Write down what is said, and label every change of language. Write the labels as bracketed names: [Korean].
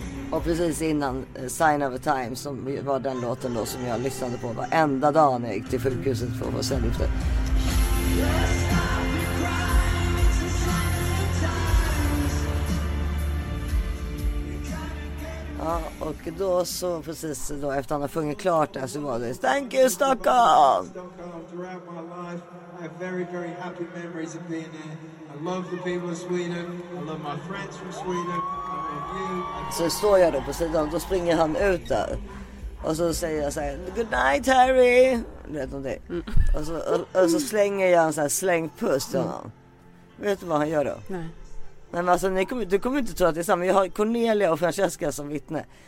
[Swedish] Och precis innan Sign of a Time, som var den låten då som jag lyssnade på varenda dag när jag gick till sjukhuset för att få cellgifter. Ja, och då så precis då efter han har sjungit klart där så var det [English] Thank you Stockholm! Throughout my life I have very very happy memories of being there. I love the people of Sweden. I love my friends from Sweden. [Swedish] Så står jag då på sidan, då springer han ut där. Och så säger jag så här, [English] good night Harry. [Swedish] Vet du det? Mm. Och så slänger jag en så här slängpuss till honom. Vet du vad han gör då? Nej. Men alltså, du kommer inte tro att det är samma. Jag har Cornelia och Francesca som vittne.